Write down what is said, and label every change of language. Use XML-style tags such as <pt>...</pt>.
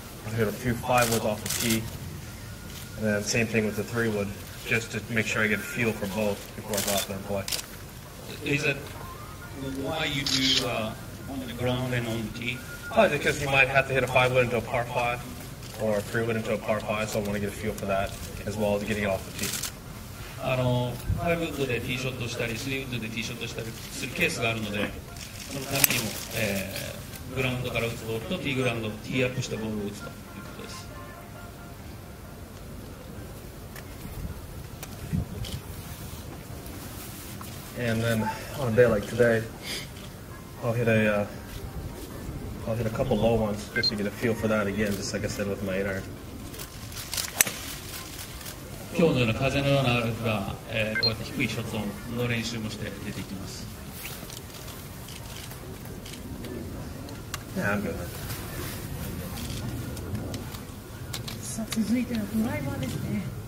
<en>I'll hit a few 5 woods off the tee. And then same thing with the 3 wood, just to make sure I get a feel for both before I go out there and play. Is that why you do on the ground and on the tee? Probably because you might have to hit a 5 wood into a par 5 or a 3 wood into a par 5, so I want to get a feel for that, as well as getting it off the tee.</en> <ja>ファイブウッドでティーショットしたり、スリーウッドでティーショットしたりするケースがあるので、その時にもグラウンドから打つボールとティーグラウンドをティーアップしたボールを打つということです。</ja> <en>And then on a day like today, I'll hit a couple low ones just to get a feel for that again, just like I said with my 8 iron.</en> <ja>今日のような風のようなアルフが、こうやって低いショットの練習もして出てきます。</ja> <en>Yeah, I'm good.</en> <ja>さあ、続いてのドライバーですね。</ja>